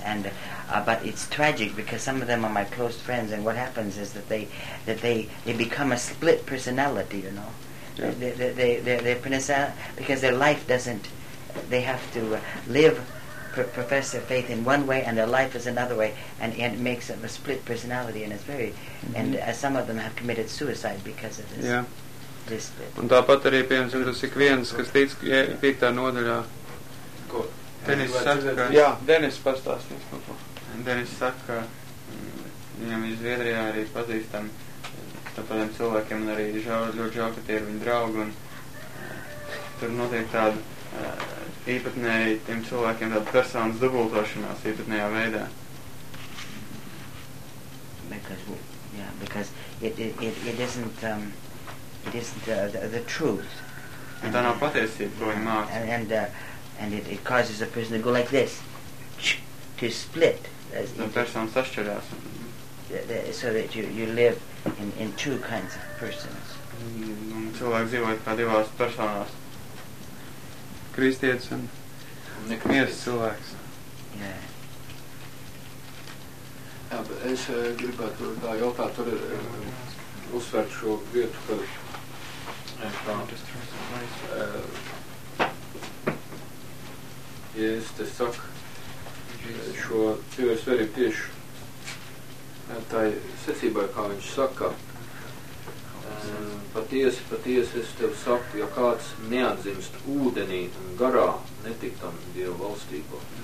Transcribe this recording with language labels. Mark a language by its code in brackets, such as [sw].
[en] and but it's tragic because some of them are my close friends and what happens is that they become a split personality, you know. Yeah. They because their life doesn't, they have to live profess their faith in one way and their life is another way, and it makes them a split personality, and it's very and some of them have committed suicide because of this. Yeah. This split. [lv] Un tāpat arī piemēram, tas ir viens, kas teic, ka piektā nodaļā Denis saka, jā, Denis pastāstīs par to. Denis saka, viņam iz Zviedrijā arī pazīstam tādiem cilvēkiem, un arī ļoti žāl, ka tie ir viņa draugi, un tur notiek tāda īpatnēji tiem cilvēkiem tāda personas dubultošanās īpatnējā veidā. [en] Because, yeah, because it isn't the truth. [lv] Un tā nav patiesība, ko viņa māca. [en] And it causes a person to go like this, to split. As the person [lv] sašķirās. [en] So that you live in two kinds of persons. [lv] Un cilvēks dzīvo kā divās personās. Kristietis un nekmies cilvēks. [en] Yeah. [lv] Jā, bet es gribētu tā jautāt, tur ir uzsvērt šo vietu, kad Ja es te saku šo pievērst arī tieši tai secībai, kā viņš saka, patiesi es tev saku, ja kāds neatzimst ūdenī un garā, netiktam Dievu valstībā.